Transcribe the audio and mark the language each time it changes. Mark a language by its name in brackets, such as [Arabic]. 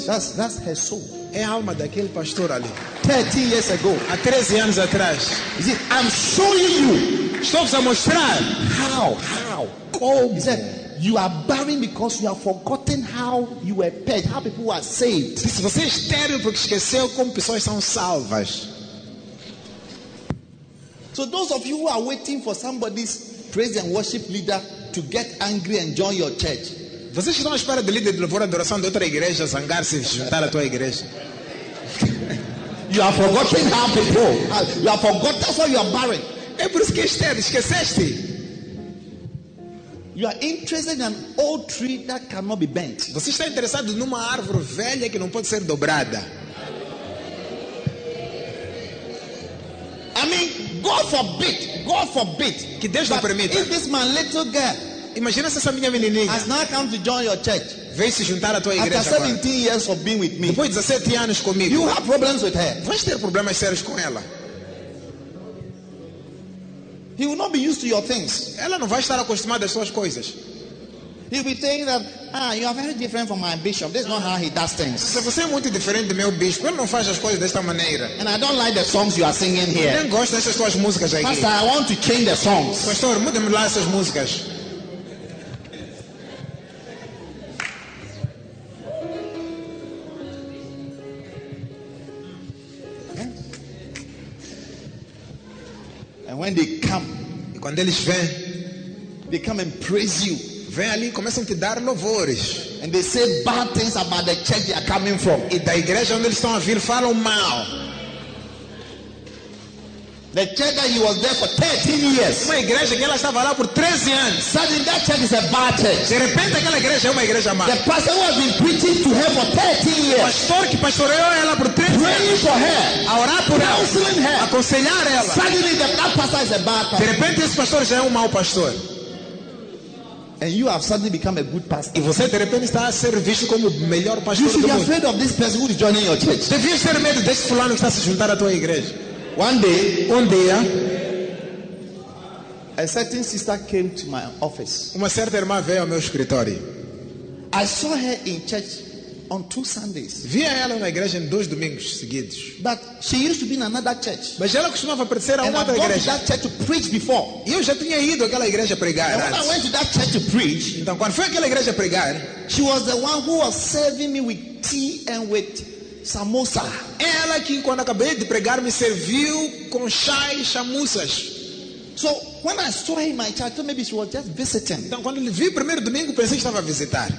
[English] That's her soul. [Portuguese] É a alma daquele pastor ali. [English] 13 years ago. [Portuguese] Há 13 anos atrás. [English] Is it? I'm showing you. [Portuguese] Estou a mostrar. [English] How? [Portuguese] Como? [English] Is it? You are barren because you have forgotten how you were paid, how people were saved. [Portuguese] Se você é estéril porque esqueceu como pessoas são salvas. [English] So those of you who are waiting for somebody's praise and worship leader to get angry and join your church. [Portuguese] Vocês estão à espera de líder de louvor e adoração de outra igreja zangar-se e juntar à tua igreja. [English] You have forgotten how people. You have forgotten. That's why you are barren. [Portuguese] É por isso que estéril. Esqueceste. [English] You are interested in an old tree that cannot be bent. [Portuguese] Você está interessado numa árvore velha que não pode ser dobrada. [English] I mean, God forbid, [Portuguese] que Deus não permita. [English] If this my little girl, [Portuguese] imagina se essa minha menininha [English] has now come to join your church. [Portuguese] Vem se juntar à tua igreja. [English] After 17 [Portuguese] agora. [English] Years of being with me, [Portuguese] depois de 17 anos comigo, [English] you have problems with her. [Portuguese] Vais ter problemas sérios com ela. [English] He will not be used to your things. Ela não vai estar acostumada às suas coisas. He'll be thinking that, you are very different from my bishop. This is not how he does things. [Portuguese] Se você é muito diferente do meu bispo, ele não faz as coisas desta maneira. [English] And I don't like the songs you are singing here. [Portuguese] Eu não gosto dessas suas músicas aqui. [English] Pastor, I want to change the songs. [Portuguese] Pastor, mude-me lá essas músicas. [English] And when they come, [Portuguese] e quando eles vêm, [English] they come and praise you. [Portuguese] Vêm ali, começam a te dar louvores. [English] And they say bad things about the church they are coming from. [Portuguese] E da igreja onde eles estão a vir falam mal. [English] The church that he was there for 13 years. [Portuguese] Uma igreja que ela estava lá por 13 anos. [English] Suddenly that church is a bad church. [Portuguese] De repente aquela igreja é uma igreja má. [English] The pastor who has been preaching to her for 13 years. [Portuguese] O pastor que pastoreou ela por 13 [English] praying [Portuguese] anos. [English] For her. [Portuguese] A orar por ela. [English] Counseling her. [Portuguese] Aconselhar ela. [English] Suddenly that pastor is a bad pastor. [Portuguese] De repente esse pastor já é um mau pastor. [English] And you have suddenly become a good pastor. [Portuguese] E você de repente está a ser visto como o melhor pastor do mundo. [English] You should be afraid of this person who is joining your church. [Portuguese] Devias ter medo desse fulano que está a se juntar à tua igreja. [English] One day, [Portuguese] um dia, [English] a certain sister came to my office. [Portuguese] Uma certa irmã veio ao meu escritório. [English] I saw her in church on two Sundays. [Portuguese] Vi ela na igreja em dois domingos seguidos. [English] But she used to be in another church. [Portuguese] Mas ela costumava pertencer a [English] and [Portuguese] uma outra igreja. [English] That church to preach before. [Portuguese] E eu já tinha ido àquela igreja pregar. [English] And when I went to that church to preach, [Portuguese] então quando fui àquela igreja pregar, [English] she was the one who was serving me with tea and with samosa. [Portuguese] Ela que quando acabei de pregar me serviu com chá e chamuças. [English] So when I saw her in my church, maybe she was just visiting. [Portuguese] Então quando vi primeiro domingo pensei que estava a visitar.